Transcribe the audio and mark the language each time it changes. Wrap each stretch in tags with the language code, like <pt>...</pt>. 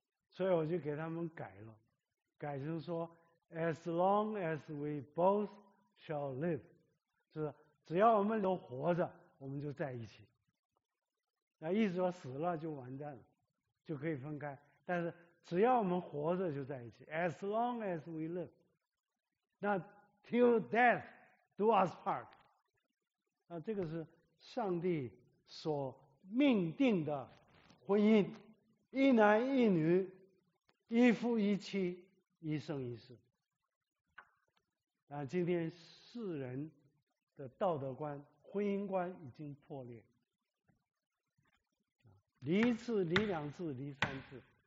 <zh>所以我就给他们改了，改成说</zh> <en>"As long as we both shall live"，</en> <zh>就是只要我们都活着，我们就在一起。那意思说死了就完蛋了，就可以分开。但是只要我们活着就在一起 ，</zh> <en>"As long as we live"，</en> <zh>那</zh> <en>"Till death do us part"。</en> <zh>啊，这个是上帝所命定的婚姻，一男一女，一夫一妻，一生一世。啊，今天世人的道德观、婚姻观已经破裂，离一次、离两次、离三次。</zh>